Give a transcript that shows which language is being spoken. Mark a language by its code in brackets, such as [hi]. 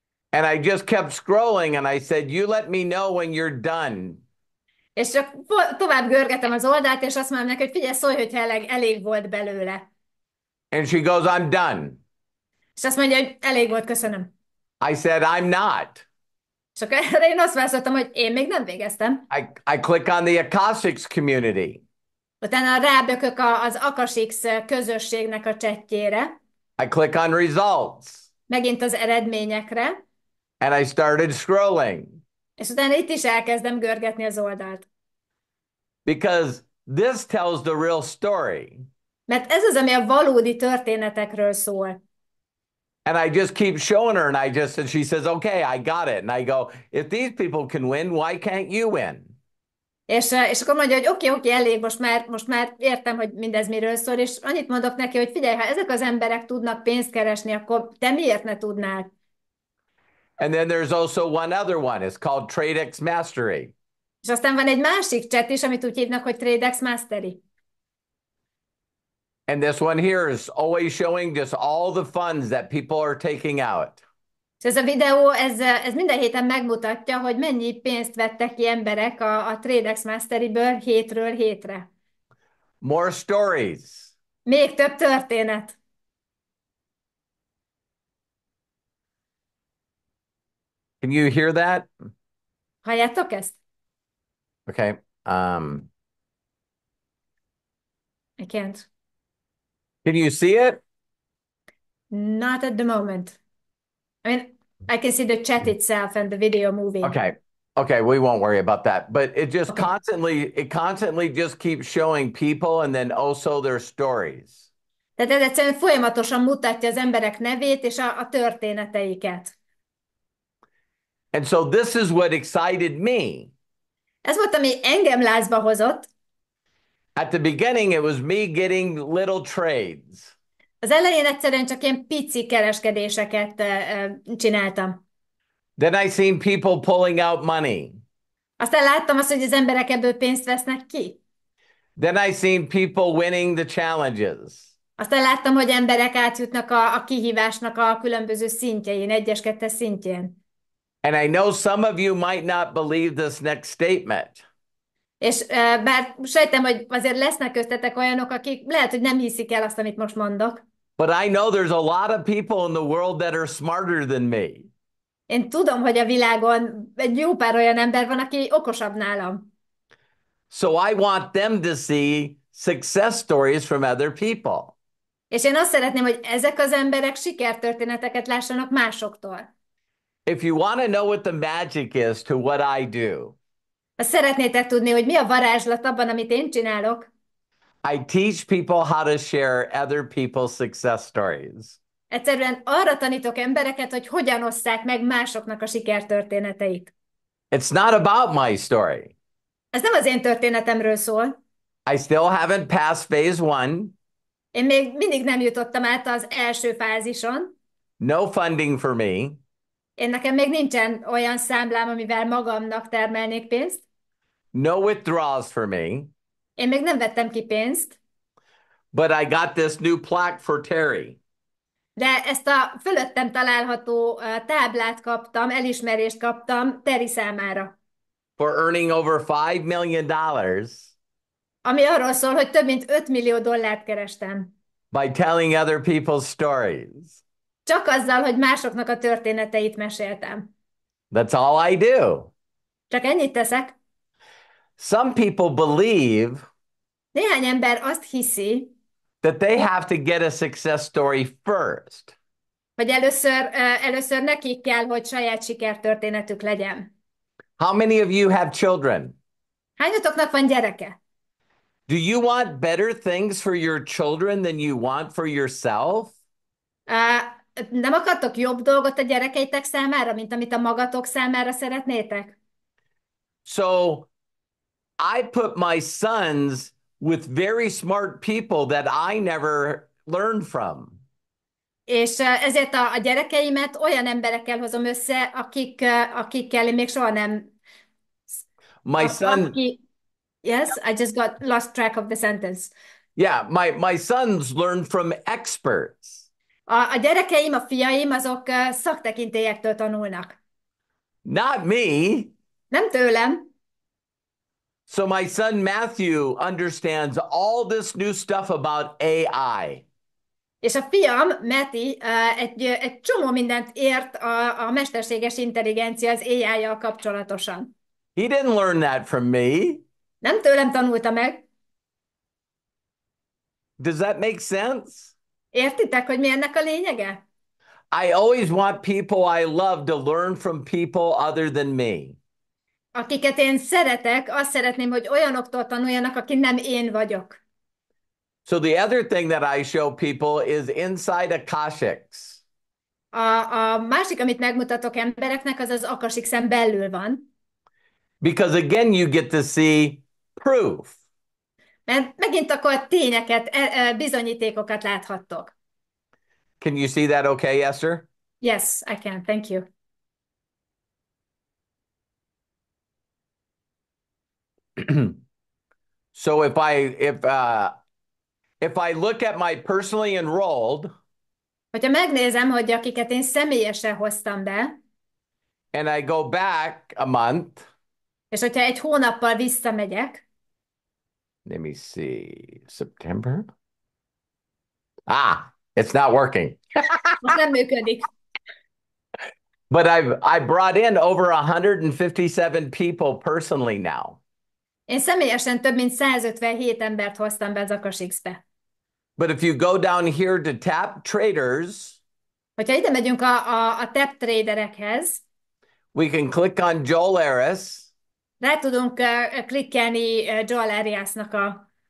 [en] And I just kept scrolling and I said, "You let me know when you're done." [hu] És csak tovább görgetem az oldalt, és azt mondom neki, hogy figyelj, szólj, hogyha elég volt belőle. [en] And she goes, "I'm done." [hu] És azt mondja, hogy elég volt, köszönöm. [en] I said, I'm not. [hu] Csak erre én azt válaszoltam, hogy én még nem végeztem. [en] I click on the Akashx community. [hu] Utána rábökök az Akashx közösségnek a csetjére. [en] I click on results. [hu] Megint az eredményekre. [en] And I started scrolling. [hu] És utána itt is elkezdem görgetni az oldalt. [en] Because this tells the real story. [hu] Mert ez az, ami a valódi történetekről szól. [en] And I just keep showing her, and I just, and she says, "Okay, I got it." And I go, "If these people can win, why can't you win?" [hu] És akkor mondja, hogy oké, elég, most már értem, hogy mindez miről szól, és annyit mondok neki, hogy figyelj, ha ezek az emberek tudnak pénzt keresni, akkor te miért ne tudnál? [en] And then there's also one other one. It's called Tradexmastery. [hu] És aztán van egy másik chat is, amit úgy hívnak, hogy Tradexmastery. [en] And this one here is always showing just all the funds that people are taking out. [hu] És ez a videó, ez minden héten megmutatja, hogy mennyi pénzt vettek ki emberek a Tradexmastery-ből hétről hétre. [en] More stories. [hu] Még több történet. [en] Can you hear that? [hu] Halljátok ezt? [en] Okay. I can't. Can you see it? Not at the moment. I mean, I can see the chat itself and the video moving. Okay. Okay, we won't worry about that. But it just constantly just keeps showing people and then also their stories. [hu] Tehát ez egyszerűen folyamatosan mutatja az emberek nevét és a történeteiket. [en] And so this is what excited me. [hu] Ez volt, ami engem lázba hozott. [en] At the beginning, it was me getting little trades. [hu] Az elején egyszerűen csak ilyen pici kereskedéseket csináltam. [en] Then I seen people pulling out money. [hu] Aztán láttam azt, hogy az emberek ebből pénzt vesznek ki. [en] Then I seen people winning the challenges. [hu] Aztán láttam, hogy emberek átjutnak a kihívásnak a különböző szintjein, egyes-kettes szintjén. [en] And I know some of you might not believe this next statement. [hu] És bár sejtem, hogy azért lesznek köztetek olyanok, akik lehet, hogy nem hiszik el azt, amit most mondok. [en] But I know there's a lot of people in the world that are smarter than me. [hu] Én tudom, hogy a világon egy jó pár olyan ember van, aki okosabb nálam. [en] So I want them to see success stories from other people. [hu] És én azt szeretném, hogy ezek az emberek sikertörténeteket lássanak másoktól. [en] If you want to know what the magic is to what I do. [hu] Ha szeretnétek tudni, hogy mi a varázslat abban, amit én csinálok. [en] I teach people how to share other people's success stories. [hu] Egyszerűen arra tanítok embereket, hogy hogyan osszák meg másoknak a sikertörténeteit. [en] It's not about my story. [hu] Ez nem az én történetemről szól. [en] I still haven't passed phase one. [hu] Én még mindig nem jutottam át az első fázison. [en] No funding for me. [hu] Én nekem még nincsen olyan számlám, amivel magamnak termelnék pénzt. [en] No withdrawals for me. [hu] Én még nem vettem ki pénzt. [en] But I got this new plaque for Terry. [hu] De ezt a fölöttem található táblát kaptam, elismerést kaptam Terry számára. [en] For earning over $5 million. [hu] Ami arról szól, hogy több mint 5 millió dollárt kerestem. [en] By telling other people's stories. [hu] Csak azzal, hogy másoknak a történeteit meséltem. [en] That's all I do. [hu] Csak ennyit teszek. [en] Some people believe [hu] néhány ember azt hiszi, [en] that they have to get a success story first. [hu] Hogy először nekik kell, hogy saját sikertörténetük legyen. [en] How many of you have children? [hu] Hányatoknak van gyereke? [en] Do you want better things for your children than you want for yourself? [hu] Nem akartok jobb dolgot a gyerekeitek számára, mint amit a magatok számára szeretnétek? [en] So, I put my sons with very smart people that I never learned from. [hu] És ezért a gyerekeimet olyan emberekkel hozom össze, akikkel én még soha nem... [en] My son... Yes, I just got lost track of the sentence. Yeah, my sons learn from experts. [hu] A gyerekeim, a fiaim, azok szaktekintélyektől tanulnak. [en] Not me. [hu] Nem tőlem. [en] So my son Matthew understands all this new stuff about AI. [hu] És a fiam, Matty, egy csomó mindent ért a mesterséges intelligencia az AI-jal kapcsolatosan. [en] He didn't learn that from me. [hu] Nem tőlem tanulta meg. [en] Does that make sense? [hu] Értitek, hogy mi ennek a lényege? [en] I always want people I love to learn from people other than me. [hu] Akiket én szeretek, azt szeretném, hogy olyanoktól tanuljanak, aki nem én vagyok. [en] So the other thing that I show people is inside Akashx. [hu] A másik, amit megmutatok embereknek, az az Akashx-en belül van. [en] Because again, you get to see proof. [hu] Mert megint akkor tényeket, bizonyítékokat láthattok. [en] Can you see that okay, Esther? Yes, I can. Thank you. So if I look at my personally enrolled, [hu] Hogyha megnézem, hogy akiket én személyesen hoztam be, [en] and I go back a month, [hu] és hogyha egy hónappal visszamegyek, [en] let me see, September? Ah, it's not working. [hu] most nem működik. [en] But I brought in over 157 people personally now. [hu] Én személyesen több mint 157 embert hoztam be az Akashx-be. [en] But if you go down here to tap traders, [hu] hogyha ide megyünk a tap traderekhez, [en] we can click on Joel Aris. [hu] Rá tudunk klikkelni Joel Ariasnak a